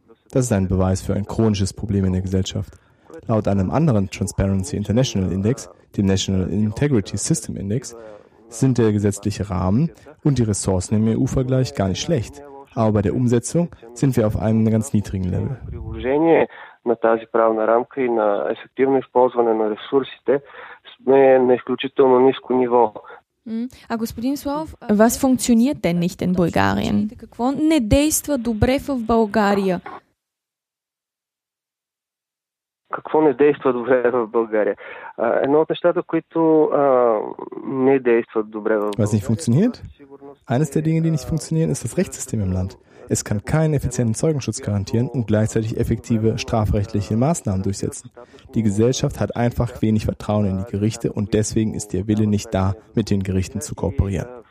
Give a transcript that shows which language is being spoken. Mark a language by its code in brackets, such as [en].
[de] Das ist ein Beweis für ein chronisches Problem in der Gesellschaft. Laut einem anderen Transparency International Index, dem National Integrity System Index, sind der gesetzliche Rahmen und die Ressourcen im EU-Vergleich gar nicht schlecht. aber bei der Umsetzung sind wir auf einem ganz niedrigen Level. [bg] На тази правна рамка и на ефективно използване на ресурсите сме на изключително ниско ниво. А господин [de] Славов, was funktioniert denn nicht in Bulgarien? [bg] Какво не действа добре в България? Какво не действа добре в България? Едно от нещата, които не действат добре в България. [de] Was nicht funktioniert? Eines der Dinge, die nicht funktionieren, ist das Rechtssystem im Land. Es kann keinen effizienten Zeugenschutz garantieren und gleichzeitig effektive strafrechtliche Maßnahmen durchsetzen. Die Gesellschaft hat einfach wenig Vertrauen in die Gerichte und deswegen ist der Wille nicht da, mit den Gerichten zu kooperieren.